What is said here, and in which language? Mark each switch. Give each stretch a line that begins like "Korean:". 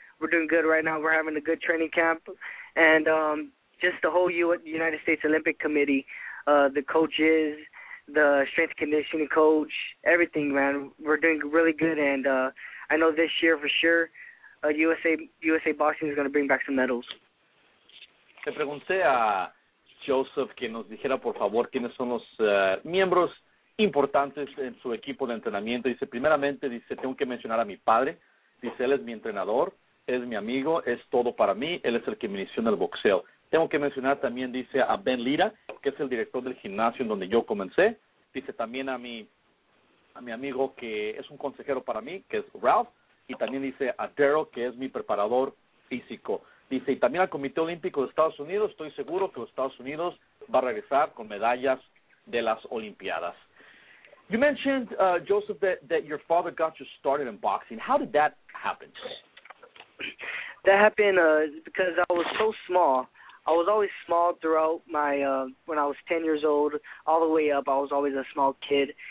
English: We're doing good right now. We're having a good training camp. And just the whole United States Olympic Committee, the coaches, the strength and conditioning coach, everything, man. We're doing really good. And I know this year for sure, USA Boxing is going to bring back some medals.
Spanish: Le pregunté a Joseph que nos dijera, por favor, quiénes son los miembros importantes en su equipo de entrenamiento. Dice, primeramente, dice, tengo que mencionar a mi padre. Dice, él es mi entrenador, es mi amigo, es todo para mí. Él es el que me inició en el boxeo. Tengo que mencionar también, dice, a Ben Lira, que es el director del gimnasio en donde yo comencé. Dice, también a mi amigo que es un consejero para mí, que es Ralph. Y también dice a Daryl, que es mi preparador físico. Dice, y también al Comité Olímpico de Estados Unidos, estoy seguro que los Estados Unidos va a regresar con medallas de las Olimpiadas.
English: You mentioned, Joseph, that your father got you started in boxing. How did that happen? That happened because I was so small. I was always small throughout my, when I was 10 years old, all the way up, I was always a small kid.